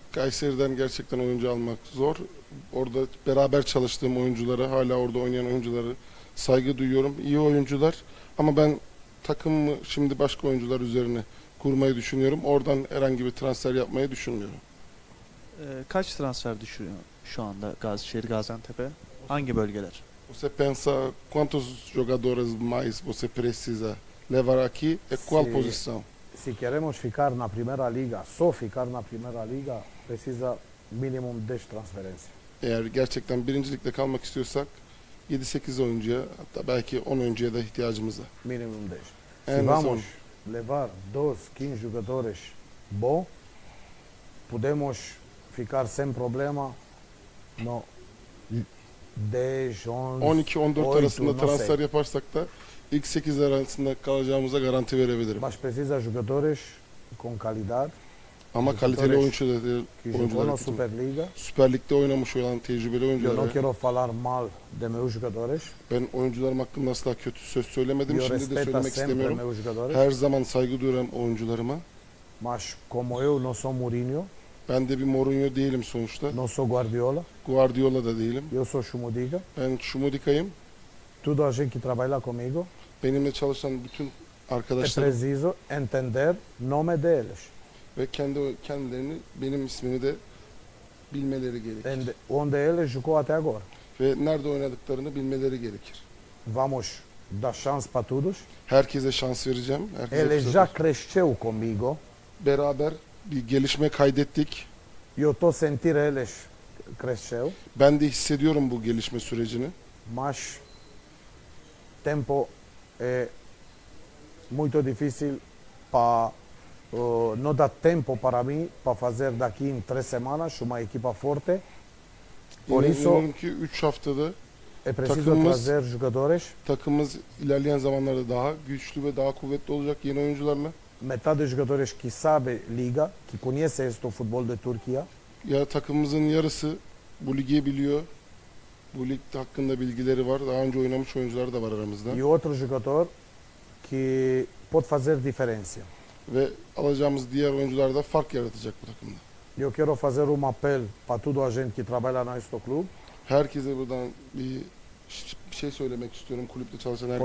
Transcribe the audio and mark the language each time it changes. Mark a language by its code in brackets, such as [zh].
[tr] Kayseri'den gerçekten oyuncu almak zor. Orada beraber çalıştığım oyunculara, hala orada oynayan oyunculara saygı duyuyorum. İyi oyuncular. Ama ben takımı şimdi başka oyuncular üzerine kurmayı düşünüyorum. Oradan herhangi bir transfer yapmayı düşünmüyorum. Kaç transfer düşünüyorsun şu anda Gazişehir Gaziantep'e? Hangi bölgeler? [pt] Você pensa quantos jogadores mais você precisa levar aqui e qual posição? Se queremos ficar na primeira liga, só ficar na primeira liga, precisa mínimo 10 transferências. [tr] Eğer gerçekten birincilikte kalmak istiyorsak 7-8 oyuncuya hatta belki 10 oyuncuya da ihtiyacımız var. [pt] Minimum 10. Se vamos levar 12-15 jogadores bom, podemos ficar sem problema no [tr] 12-14 arasında transfer yaparsak da ilk 8 arasında kalacağımıza garanti verebilirim. [pt] Mas precisa jogadores com qualidade. [tr] Ama kaliteli oyuncular. [pt] Oyuncular na Superliga. [tr] Süper Lig'de oynamış olan tecrübeli oyuncular. [pt] Eu não quero falar mal de meus jogadores. [tr] Ben oyuncularım hakkında asla kötü söz söylemedim. Eu şimdi de söylemek istemiyorum. Meus jogadores. Her zaman saygı duyuyorum oyuncularıma. [pt] Mas como eu não sou Mourinho. [tr] Ben de bir Mourinho değilim sonuçta. [pt] Não sou Guardiola. [tr] Guardiola da değilim. [pt] Eu sou Schumudiga. [tr] Ben Schumudika'yım. [pt] Tudo a gente que trabalha comigo. [tr] Benimle çalışan bütün arkadaşlarım. [pt] É preciso entender nome deles. [tr] Ve kendilerini benim ismimi de bilmeleri gerekir. [pt] And onde eles jogou até agora. [tr] Ve nerede oynadıklarını bilmeleri gerekir. [pt] Vamos dar chance para todos. [tr] Herkese şans vereceğim. Herkese [pt] Ele já cresceu comigo. [tr] Beraber bir gelişme kaydettik. [pt] Eu tô sentir eles cresceu. [tr] Ben de hissediyorum bu gelişme sürecini. [pt] Mas tempo é muito difícil para não dá tempo para mim para fazer daqui em 3 semanas uma equipa forte. Por isso, ki 3 haftada é preciso trazer jogadores. [tr] Takımımız ilerleyen zamanlarda daha güçlü ve daha kuvvetli olacak yeni oyuncularla. [pt] Metade dos jogadores que sabe liga, que conhece este futebol de Turquia. [tr] Ya takımımızın yarısı bu ligi biliyor. Bu lig hakkında bilgileri var. Daha önce oynamış oyuncular da var aramızda. [pt] E outro jogador que pode fazer diferença. [tr] Ve alacağımız diğer oyuncular da fark yaratacak bu takımda. [pt] Eu quero fazer um apelo para todo a gente que trabalha na este clube. [tr] Herkese buradan bir şey söylemek istiyorum, kulüpte çalışan herkese.